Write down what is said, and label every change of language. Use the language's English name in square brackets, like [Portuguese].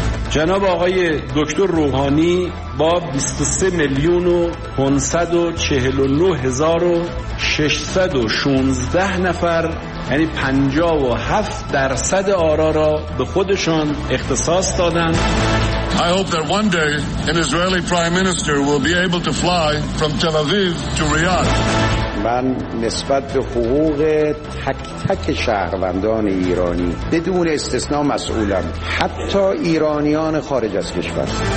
[Persian] جناب آقای دکتر روحانی با 23,549,616 نفر، یعنی 57% آرا را به خودشان اختصاص دادند. [English] I hope that one day an Israeli prime minister will be able to fly from Tel Aviv to Riyadh. [Persian] من نسبت به حقوق تک تک شهروندان ایرانی بدون استثنا مسئولم، حتی ایرانیان خارج از کشور.